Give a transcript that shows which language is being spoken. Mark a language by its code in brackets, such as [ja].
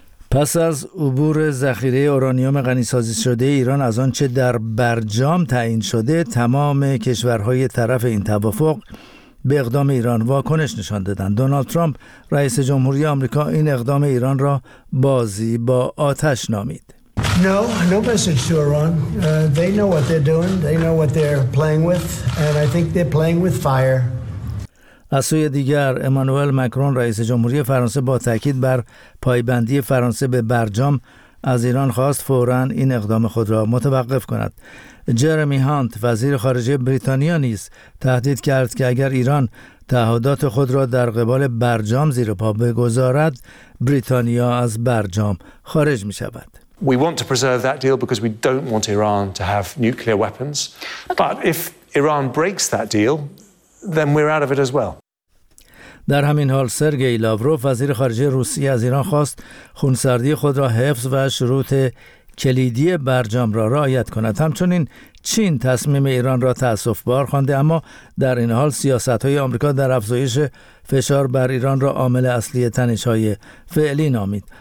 [fa] پس از عبور ذخیره اورانیوم غنی‌سازی شده ایران از آنچه در برجام تعیین شده، تمام کشورهای طرف این توافق به اقدام ایران واکنش نشان دادند. دونالد ترامپ رئیس جمهوری آمریکا این اقدام ایران را بازی با آتش نامید. [en] No message to Iran. They know what they're doing. They know what they're playing with, and I think they're playing with fire. [fa] از سوی دیگر امانوئل مکرون رئیس جمهوری فرانسه با تاکید بر پایبندی فرانسه به برجام از ایران خواست فوراً این اقدام خود را متوقف کند. جرمی هانت وزیر خارجه بریتانیا نیز تهدید کرد که اگر ایران تعهدات خود را در قبال برجام زیر پا بگذارد، بریتانیا از برجام خارج می شود. [en] We want to preserve that deal because we don't want Iran to have nuclear weapons. But if Iran breaks that deal, then we're out of it as well. [fa] در همین حال سرگئی لاوروف وزیر خارجه روسیه از ایران خواست خونسردی خود را حفظ و شروط کلیدی برجام را رعایت کند. همچنین چین تصمیم ایران را تأسف بار خوانده، اما در این حال سیاست‌های آمریکا در افزایش فشار بر ایران را عامل اصلی تنش‌های فعلی نامید.